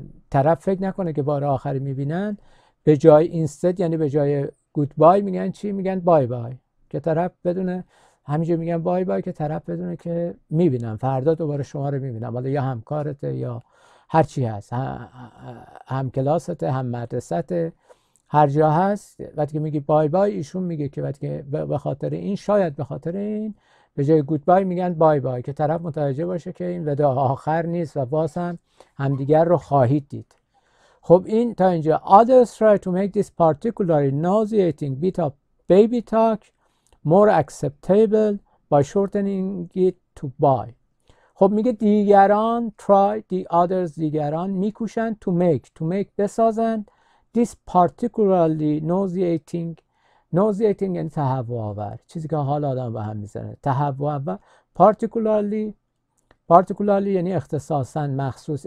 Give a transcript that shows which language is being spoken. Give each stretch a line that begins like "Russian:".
Persian: طرف فکر نکنه که بار آخری میبینن، به جای اینستد یعنی به جای گودبای میگن چی؟ میگن بای بای، که طرف بدونه همینجا میگن بای بای که طرف بدونه که میبینم فردا دوباره شما رو میبینم، حالا یا همکارته یا هر چی هست، هم کلاسته، هم مدرسته، هر جا هست. وقتی که میگی بای بای، ایشون میگه که وقتی که به خاطر این، شاید به خاطر این، به جای گود بای میگن بای بای، که طرف متوجه باشه که این وداع آخر نیست و باز هم همدیگر رو خواهید دید. خب این تا اینجا.
English: Others try to make this particularly nauseating bit of baby talk more acceptable by shortening it to bye.
Persian: خب میگه دیگران،
English: try the others،
Persian: دیگران میکوشن to make، to make بسازن،
English: this particularly nauseating،
Persian: nauseating یعنی تهوع آور، چیزی که حال آدم به هم میزنه، تهوع آور. particularly، particularly یعنی اختصاصا، مخصوص.